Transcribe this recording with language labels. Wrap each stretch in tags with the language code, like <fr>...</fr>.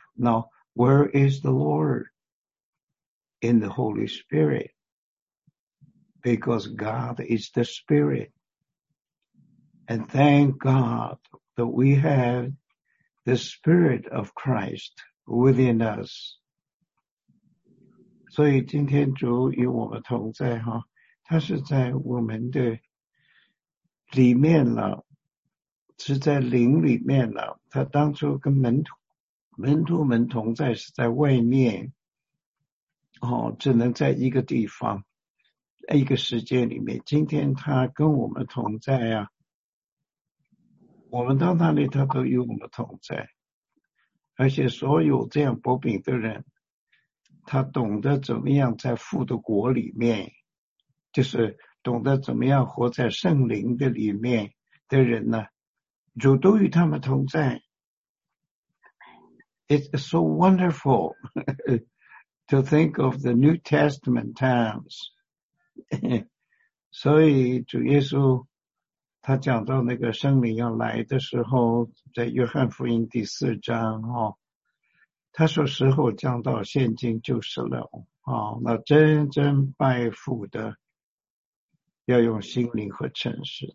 <en>Now, where is the Lord? In the Holy Spirit. Because God is the Spirit. And thank God that we have the Spirit of Christ within us.</en> <zh>所以今天主与我们同在哈，他是在我们的里面了，是在灵里面了。他当初跟门徒们同在是在外面，只能在一个地方、一个时间里面。今天他跟我们同在啊，我们到那里他都与我们同在，而且所有这样薄饼的人，他懂得怎么样在父的国里面，就是懂得怎么样活在圣灵的里面的人呢，主都与他们同在。</zh> <en>It's so wonderful to think of the New Testament times.</en> <zh>所以主耶稣他讲到那个圣灵要来的时候，在约翰福音第四章他说时候将到，现今就是了那真正拜父的要用心灵和诚实。</zh>